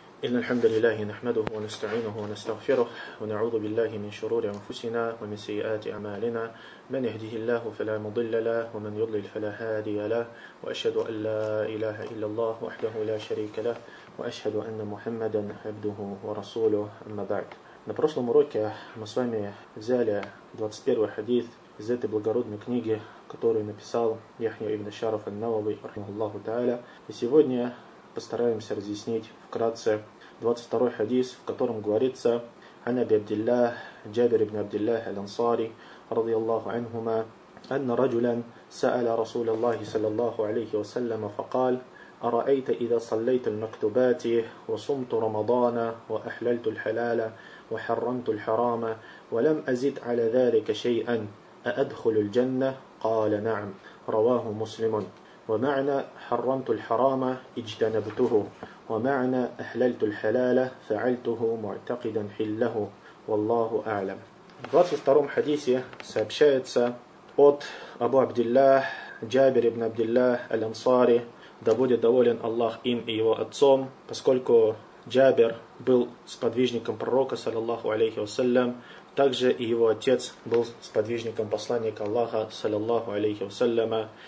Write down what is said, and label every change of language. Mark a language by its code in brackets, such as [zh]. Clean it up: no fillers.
[ar] إن الحمد لله نحمده ونستعينه ونستغفره ونعوذ بالله من شرور أنفسنا ومن سيئات أعمالنا من يهده الله فلا مضل له ومن يضلل فلا هادي له وأشهد أن لا إله إلا الله وحده لا شريك له وأشهد أن محمدا عبده ورسوله أما بعد. [ru] На прошлом уроке мы с вами взяли 21 хадис из этой благородной книги, которую написал Яхья ибн Шараф ан-Навави [ar] رحمه الله تعالى. [ru] И сегодня постараемся разъяснить вкратце 22-й хадис, в котором говорится [ar] «Ан Аби Абдиллах, Джабир ибн Абдиллах аль-Ансари, радиаллаху анхума, анна раджулян саала Расул Аллахи саллаллаху алейхи вассаляма факал, араэйта иза саллейта л-мактубати, васумту рамадана, ва ахлальту л-халала, ва харрамту л-харама, ва лам азид аля дарика шейан, а адхулю л-джанна, каала наам, раваху муслимун». ومعنى حرمت الحرام اجتنبته ومعنى أحللت الحلال فعلته معتقدا حله والله أعلم. [ru] В 22-м хадисе сообщается от Абу Абдиллах Джабир ибн Абдиллах аль-Ансари, да будет доволен Аллах им и его отцом, поскольку Джабир был сподвижником пророка саллаллаху алейхи вассалям, также и его отец был сподвижником посланника Аллаха, саллаллаху алейхи вассаляма.